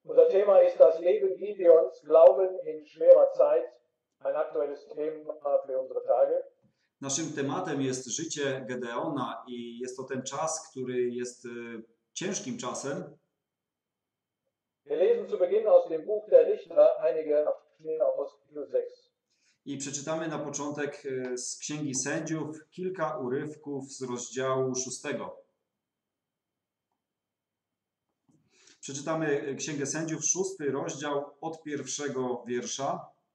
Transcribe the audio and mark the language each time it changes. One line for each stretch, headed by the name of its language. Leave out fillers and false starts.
German: Thema ist das Leben Gideons, Glauben in schwerer Zeit. Ein aktuelles Thema für unsere Tage.
Polish: Naszym tematem jest życie Gedeona i jest to ten czas, który jest ciężkim czasem.
German: Wir lesen zu Beginn aus dem Buch der Richter einige Abschnitte aus Kapitel 6.
Polish: I przeczytamy na początek z Księgi Sędziów kilka urywków z rozdziału 6. Przeczytamy Księgę Sędziów, 6 rozdział, od 1 wiersza.